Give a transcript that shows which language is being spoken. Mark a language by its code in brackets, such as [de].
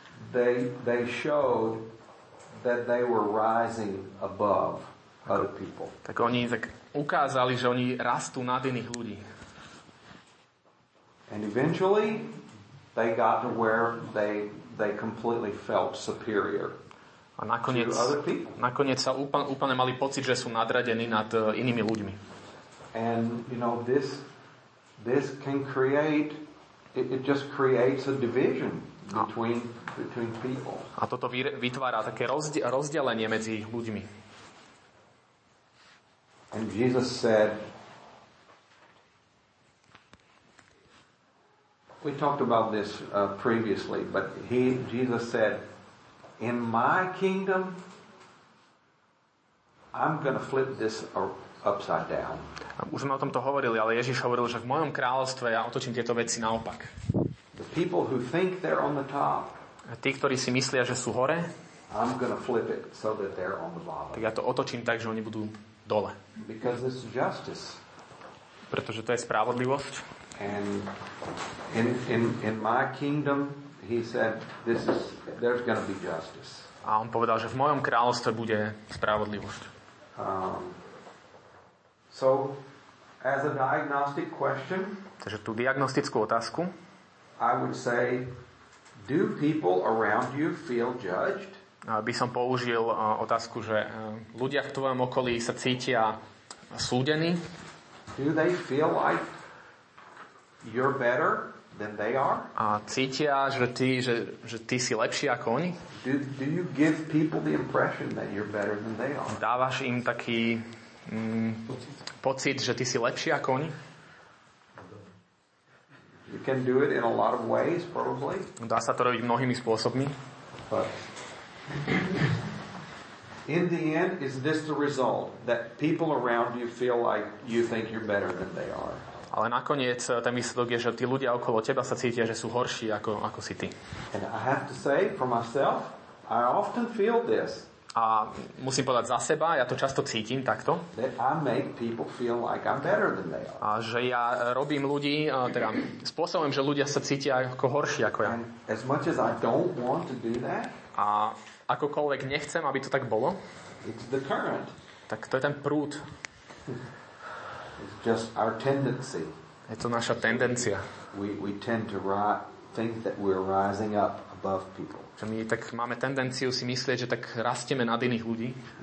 [en] they showed that they were rising above other people. [sk] Tak oni tak ukázali, že oni rastú nad iných ľudí. [en] And eventually they got to where they completely felt superior. [sk] A nakoniec sa úplne mali pocit, že sú nadradení nad inými ľuďmi. [en] And you know, this can create it just creates a division between people. [sk] A toto vytvára také rozdelenie medzi ľuďmi. [en] And Jesus said, we talked about this previously, but Jesus said, in my kingdom, I'm going to flip this upside down. [sk] Už sme o tomto hovorili, ale Ježiš hovoril, že v mojom kráľovstve ja otočím tieto veci naopak. [en] The people who think they're on the top, [sk] tí, ktorí si myslia, že sú hore, [en] I'm going to flip it so that they're on the bottom. [sk] Tak ja to otočím tak, že oni budú dole. [en] Because it's justice. [sk] Pretože to je spravodlivosť. [en] And in my kingdom, he said, there's going to be justice. [sk] A on povedal, že v mojom kráľovstve bude spravodlivosť. [en] So as a diagnostic question, [sk] takže tú diagnostickú otázku, [en] I would say, do people around you feel judged? [sk] By som použil otázku, že ľudia v tvojom okolí sa cítia súdení. [en] Do they feel like you're better than they are? [sk] A cítia, že ty si lepší ako oni? [en] Do you give people the impression that you're better than they are? [sk] Dávaš im taký pocit, že ty si lepší ako oni? [en] You can do it in a lot of ways, probably. [sk] Dá sa to robiť mnohými spôsobmi. [en] In the end, is this the result that people around you feel like you think you're better than they are? [sk] Ale nakoniec ten výsledok je, že tí ľudia okolo teba sa cítia, že sú horší ako si ty. [en] And I have to say for myself, I often feel this. [sk] A musím povedať za seba, ja to často cítim takto. [en] That I make people feel like I'm better than they are. [sk] A že ja robím ľudí, teda spôsobom, že ľudia sa cítia ako horší ako ja. [en] And as much as I don't want to do that, [sk] a akokoľvek nechcem, aby to tak bolo, [en] it's the current. [sk] Tak to je ten prúd. [en] It's just our tendency. [sk] Je to naša tendencia. [en] We tend to think that we're rising up above people. [sk] Že my tak máme tendenciu si myslieť, že tak rastieme nad iných ľudí.